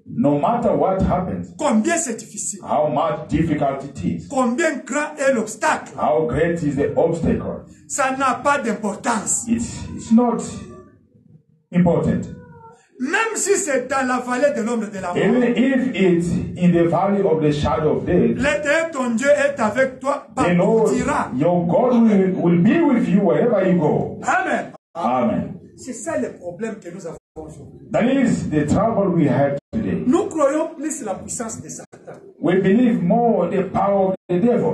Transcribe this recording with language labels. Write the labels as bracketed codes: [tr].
[en] No matter what happens. [fr] Combien c'est difficile. [en] How much difficult it is. [fr] Combien grand est l'obstacle. [en] How great is the obstacle. [fr] Ça n'a pas d'importance. [en] It's not important. [fr] Même si c'est dans la vallée de l'ombre de la mort. [en] Even if it's in the valley of the shadow of death. [fr] L'Éternel ton Dieu est avec toi partout où tu iras. [en] Your God will be with you wherever you go. Amen. Amen. [fr] C'est ça le problème que nous avons aujourd'hui. [en] That is the trouble we have today. [fr] Nous croyons plus la puissance de Satan. [en] We believe more the power of the devil.